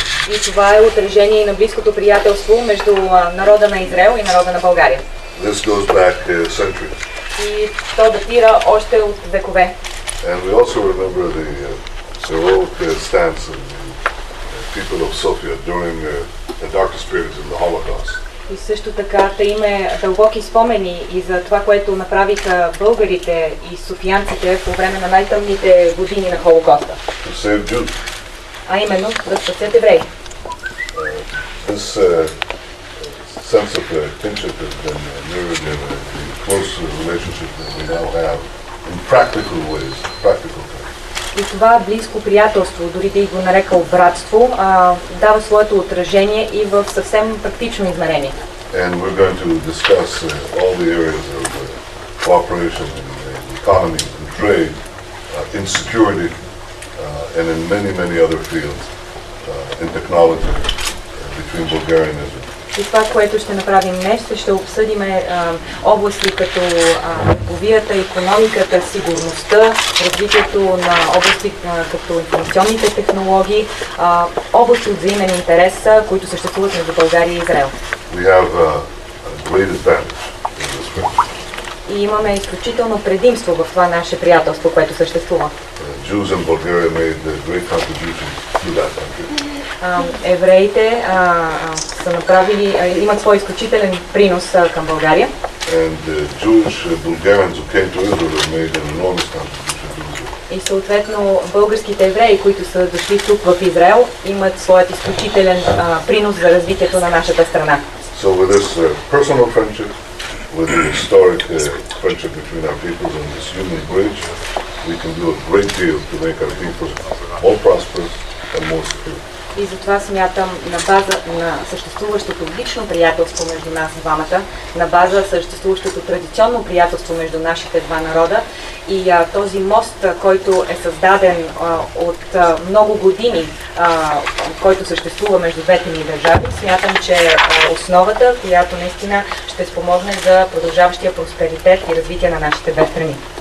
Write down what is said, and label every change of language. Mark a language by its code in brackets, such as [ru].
[bg] И това е отражение на близкото приятелство между народа на Израел и народа на България. [en] This goes back centuries. [bg] И то датира още от векове. [en] And we also remember the heroic stance of the people of Sofia during the darkest periods of the Holocaust. [bg] И също така те има дълбоки спомени и за това, което направиха българите и софиянците по време на най-тъмните години на Холокоста. [en] To save Jews. [bg] А именно, да спасят евреи. [en] This sense of kinship has been mirrored in a close relationship that we now have in practical ways, practical terms. [bg] И това близко приятелство, дори да и го нарекал братство, дава своето отражение и в съвсем практично измерение. [en] And we're going to discuss all the areas of cooperation in the economy, in trade, in security, and in many, many other fields, in technology, between Bulgaria and Israel. [bg] И това, което ще направим днес, ще обсъдим области като търговията, икономиката, сигурността, развитието на области като информационните технологии, области от взаимен интерес, които съществуват между България и Израел. [en] We have a great advantage in this friendship. [bg] И имаме изключително предимство в това наше приятелство, което съществува. [en] Jews and Bulgaria made a great contribution to that country. [bg] Евреите са направили, имат свой изключителен принос към България. [en] And Jewish Bulgarians who came to Israel have made an enormous contribution to Israel. [bg] И съответно българските евреи, които са дошли тук в Израел, имат своят изключителен принос за развитието на нашата страна. [en] So with this personal friendship, with the historic friendship between our peoples and this human bridge, we can do a great deal to make our peoples more prosperous and more secure. [bg] И затова смятам, на база на съществуващото лично приятелство между нас двамата, на база съществуващото традиционно приятелство между нашите два народа и този мост, който е създаден от много години, който съществува между двете ни държави, смятам, че е основата, която наистина ще спомогне за продължаващия просперитет и развитие на нашите две страни.